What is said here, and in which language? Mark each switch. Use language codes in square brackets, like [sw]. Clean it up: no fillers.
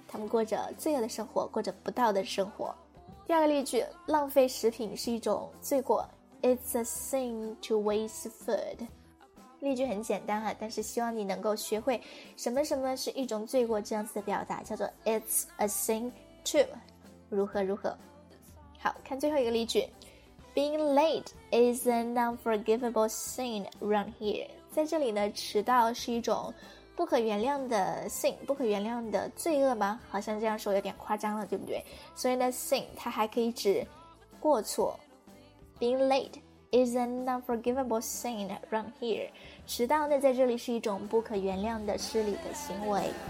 [zh] 他们过着罪恶的生活，过着不道的生活。第二个例句，浪费食品是一种罪过。 [en] It's a sin to waste food. [zh] 例句很简单啊，但是希望你能够学会什么什么是一种罪过这样子的表达，叫做 [en] It's a sin to [zh] 如何如何。好，看最后一个例句， [en] Being late is an unforgivable sin around here. [zh] 在这里呢，迟到是一种不可原谅的 sin， 不可原谅的罪恶吗？好像这样说有点夸张了，对不对？所以呢 sin 它还可以指过错。 [en] Being late is an unforgivable sin around here， [zh] 迟到呢在这里是一种不可原谅的失礼的行为。